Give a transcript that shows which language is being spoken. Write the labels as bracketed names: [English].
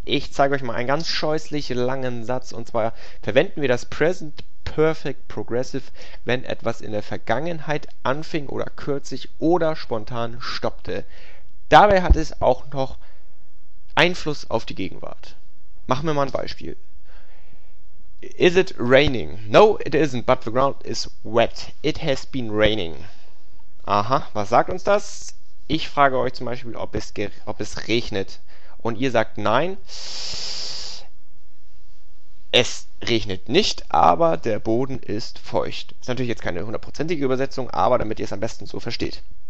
[German] Ich zeige euch mal einen ganz scheußlich langen Satz und zwar verwenden wir das Present Perfect Progressive, wenn etwas in der Vergangenheit anfing oder kürzlich oder spontan stoppte. Dabei hat es auch noch Einfluss auf die Gegenwart. Machen wir mal ein Beispiel. [English] Is it raining? No, it isn't, but the ground is wet. It has been raining. [German] Aha, was sagt uns das? Ich frage euch zum Beispiel, ob es regnet. Und ihr sagt nein. Es regnet nicht, aber der Boden ist feucht. Ist natürlich jetzt keine hundertprozentige Übersetzung, aber damit ihr es am besten so versteht.